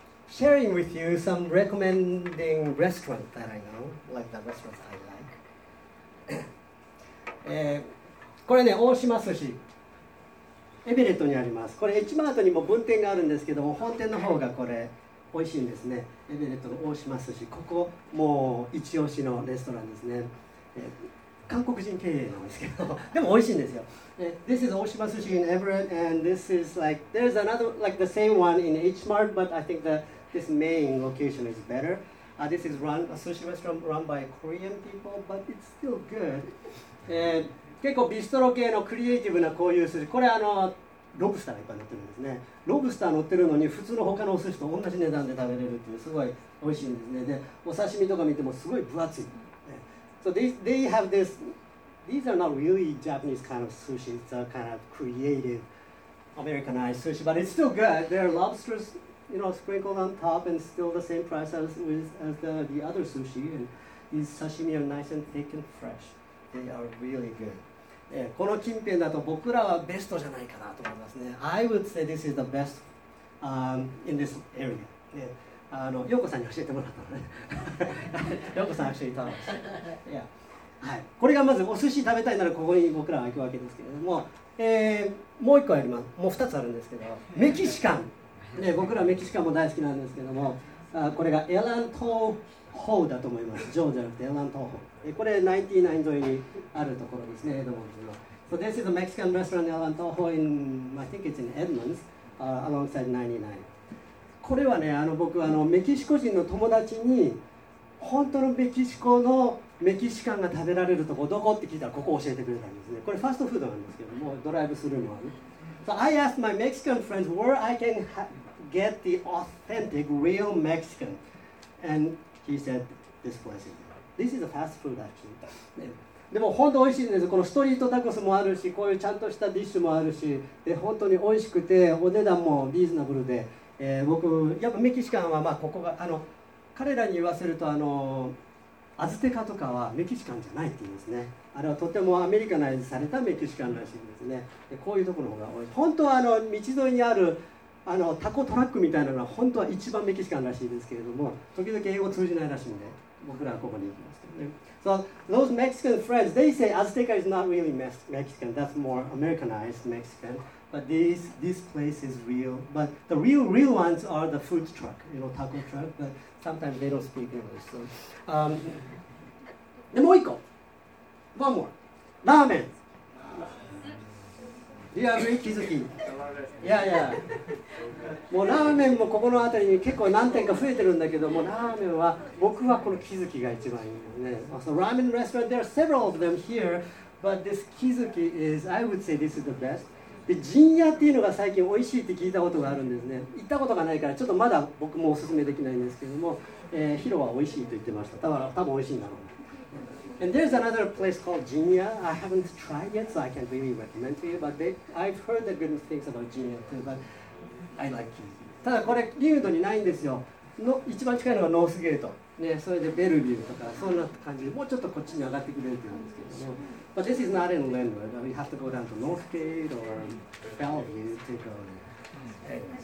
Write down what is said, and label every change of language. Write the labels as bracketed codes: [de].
[en] sharing with you some recommending restaurants that I know, like the restaurants I like. [ja] これね、大島寿司、エベレットにあります。これ、エチマートにも分店があるんですけども、本店の方がこれ、美味しいんですね。エベレットの大島寿司、ここ、もう一押しのレストランですね。韓国人経営なんですけど、でも美味しいんですよ。 [en] This is 大島寿司 in Everett, and this is like, there's another, like the same one in H Mart, but I think that this main location is better. This is run, a sushi restaurant run by Korean people, but it's still good. [ja] 結構ビストロ系のクリエイティブなこういう寿司、これあのロブスターがいっぱい乗ってるんですね。ロブスター乗ってるのに普通の他のお寿司と同じ値段で食べれるっていう、すごい美味しいんですね。でお刺身とか見てもすごい分厚い。 [en] So they have this, these are not really Japanese kind of sushi, it's a kind of creative Americanized sushi, but it's still good. There are lobsters, you know, sprinkled on top and still the same price as the other sushi. And these sashimi are nice and thick and fresh. They are really good. [ja] この近辺だと僕らはベストじゃないかなと思いますね。 [en] I would say this is the best、in this area. [ja] あの、陽子さんに教えてもらったのね。陽子さん教えてもらったのね。 [en] yeah. [ja] はい、これがまずお寿司食べたいならここに僕らは行くわけですけれども、もう一個あります。もう二つあるんですけど、メキシカン、ね。僕らメキシカンも大好きなんですけども、これがエラントホーだと思います。ジョーじゃなくてエラントホー。これ99沿いにあるところですね、エドモンズの。 [en] So this is a Mexican restaurant in Allan Toho in, I think it's in Edmonds, alongside 99. [ja] これはね、あの僕あのメキシコ人の友達に本当のメキシコのメキシカンが食べられるとこどこって聞いたらここを教えてくれたんですね。これファストフードなんですけども、ドライブスルーもある。 [en] So I asked my Mexican friends where I can get the authentic, real Mexican. And he said this place is. This is a fast food actually.、 [ja] ね、でも本当美味しいんです。このストリートタコスもあるし、こういうちゃんとしたディッシュもあるし、で本当に美味しくてお値段もリーズナブルで、僕やっぱメキシカンはまあここがあの彼らに言わせるとあのアステカとかはメキシカンじゃないって言うんですね。あれはとてもアメリカナイズされたメキシカンらしいんですね。でこういうところの方が多い。本当はあの道沿いにあるあのタコトラックみたいなのは本当は一番メキシカンらしいですけれども、時々英語通じないらしいんで。僕らはここに行きますけどね。 [en] So those Mexican friends, they say Azteca is not really Mexican. That's more Americanized Mexican. But this place is real. But the real ones are the food truck, you know, taco truck. But sometimes they don't speak English. So, [ja] でもう一個、 [en] one more, ラーメン。 [ja] いや、気づき。もうラーメンもここのあたりに結構何店か増えてるんだけども、ラーメンは僕はこの気づきが一番いいよね。 [en] So, ramen restaurant, there are several of them here, but this 気づき is, I would say this is the best. [ja] で、陣屋っていうのが最近おいしいって聞いたことがあるんですね。行ったことがないから、ちょっとまだ僕もおすすめできないんですけども、ヒロはおいしいと言ってました。多分おいしいんだろう。 [en] And there's another place called Jinya. I haven't tried yet, so I can't really recommend to you. But I've heard the good things about Jinya too. But I like Kizuki. [ja] ただこれリウドにないんですよ。の一番近いのがノースゲート。ね、それでベルビューとかそんな感じで、もうちょっとこっちに上がってくれるって言うんですけども。 [en] But this is not in Lindbergh. We have to go down to Northgate or Bellevue to go there.